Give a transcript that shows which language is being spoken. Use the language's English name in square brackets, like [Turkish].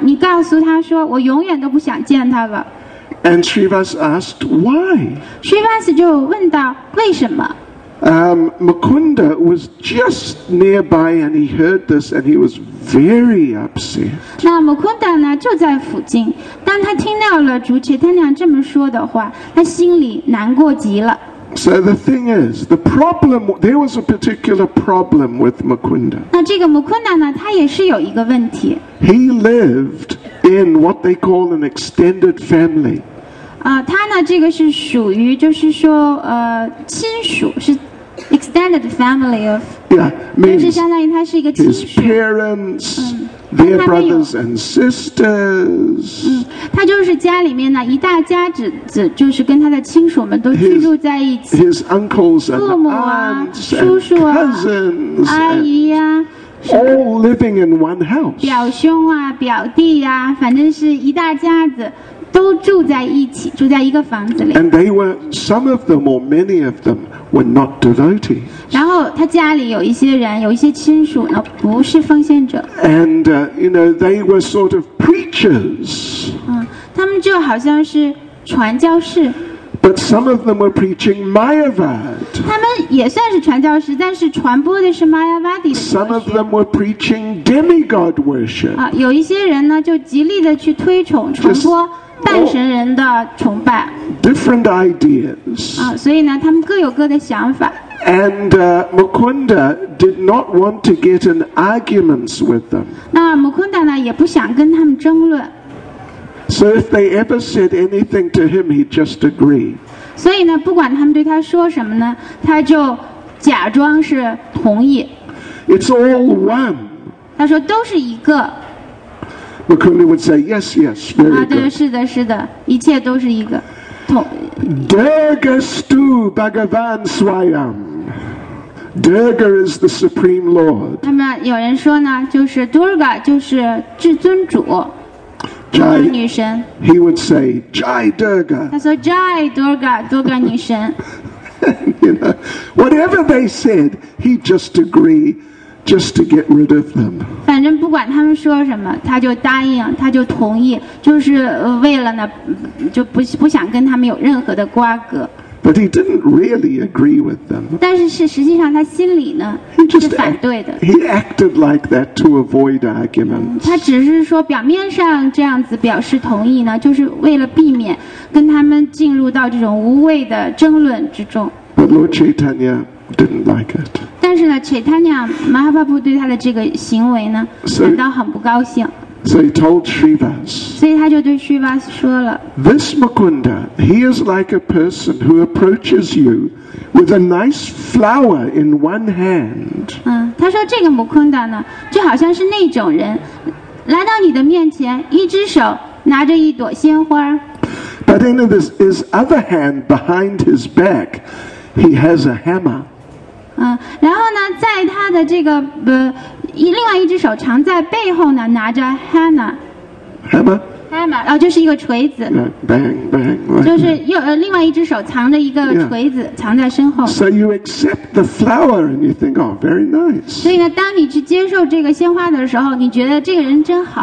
[Chinese] 你告诉他说，我永远都不想见他了。 [English] And Srivas asked why. [Chinese] Srivas 就问道为什么。 [English] Mukunda was just nearby, and he heard this, and he was very upset. [Chinese] 那 Mukunda 呢就在附近，当他听到了主 Chaitanya 这么说的话，他心里难过极了。 [English] So the thing is, the problem, there was a particular problem with Mukunda. [Chinese] 那这个 Mukunda 呢，他也是有一个问题。 [English] He lived in what they call an extended family. [Chinese] 他呢，这个是属于，就是说，亲属是 [English] extended family of. Yeah, means [Chinese] 就是相当于他是一个亲属。 [English] His parents,their brothers and sisters. [Chinese] 他就是家里面呢一大家子子，就是跟他的亲属们都居住在一起。 [English] His uncles and aunts, [Chinese] 父母啊，叔叔啊， [English] cousins, [Chinese] 阿姨呀、啊、 [English] all living in one house. [Chinese] 表兄啊，表弟呀、啊，反正是一大家子都住在一起，住在一个房子里。 [English] And they were some of them or many of them were not devotees. [Chinese] 然后他家里有一些人，有一些亲属呢，不是奉献者。 [English] And you know they were sort of preachers. [Chinese] 他们就好像是传教士。 [English] But some of them were preaching Mayavad. [Chinese] 他们也算是传教士，但是传播的是 Mayavadi 的教学。 [English] Some of them were preaching demigod worship. [Chinese] 有一些人呢，就极力的去推崇传播。半神人的崇拜 [English] different ideas [Chinese] 所以呢他们各有各的想法 [English] and Mukunda did not want to get in arguments with them [Chinese] 那 Mukunda 呢也不想跟他们争论 [English] so if they ever said anything to him he'd just agree [Chinese] 所以呢不管他们对他说什么呢他就假装是同意 [English] it's all one [Chinese] 他说都是一个 [English] Mukunda would say, yes, yes, very good. [Chinese] 对，是的，是的，一切都是一个。 [Sanskrit] Durgastu Bhagavan Swayam. [English] Durga is the Supreme Lord. [Chinese] 那么有人说呢，就是 Durga 就是至尊主， [Hindi] Jai, [Chinese] 女神。 [English] He would say, Jai Durga. [Chinese] 他说 Jai Durga, Durga 女神。 [English] You know, whatever they said, he'd just agree just to get rid of them. [Chinese] 反正不管他们说什么，他就答应，他就同意，就是为了呢，就不想跟他们有任何的瓜葛。 [English] But he didn't really agree with them. [Chinese] 但是实际上他心里呢是反对的。 [English] He acted like that to avoid arguments. [Chinese] 他只是说表面上这样子表示同意呢，就是为了避免跟他们进入到这种无谓的争论之中。 [English] But Lord Chaitanya didn't like it. [Chinese] 但是呢 ，Chaitanya Mahaprabhu 对他的这个行为呢，感到很不高兴。 [English] So he told Srivas. [Chinese] 所以他就对 Srivas 说了。 [English] This Mukunda, he is like a person who approaches you with a nice flower in one hand. [Chinese] 嗯，他说这个 Mukunda 呢，就好像是那种人，来到你的面前，一只手拿着一朵鲜花。 [English] But in his other hand, behind his back, he has a hammer. [Chinese] 嗯，然后呢，在他的这个另外一只手藏在背后呢，拿着 hammer，、就是一个锤子。 [English] Bang, bang, right. [Chinese] 就是又另外一只手藏着一个锤子， [English] yeah. [Chinese] 藏在身后。 [English] So you accept the flower and you think, oh, very nice. [Chinese] 所以呢，当你去接受这个鲜花的时候，你觉得这个人真好。